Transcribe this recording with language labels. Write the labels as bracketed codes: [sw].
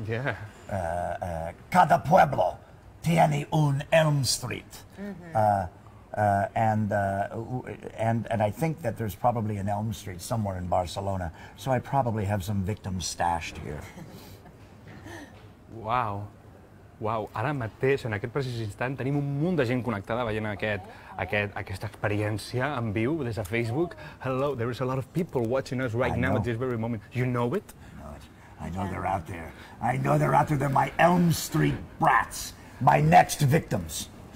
[en] Yeah. [es] Cada pueblo tiene un Elm Street. Mm-hmm. [en] And I think that there's probably an Elm Street somewhere in Barcelona, so I probably have some victims stashed here. Wow. [ca] Wow, ara mateix, en aquest precís instant, tenim un munt de gent connectada veient aquesta experiència en viu des de Facebook. [en] Hello, there is a lot of people watching us right now at this very moment. You know it? I know they're out there. I know they're out there. They're my Elm Street brats, my next victims.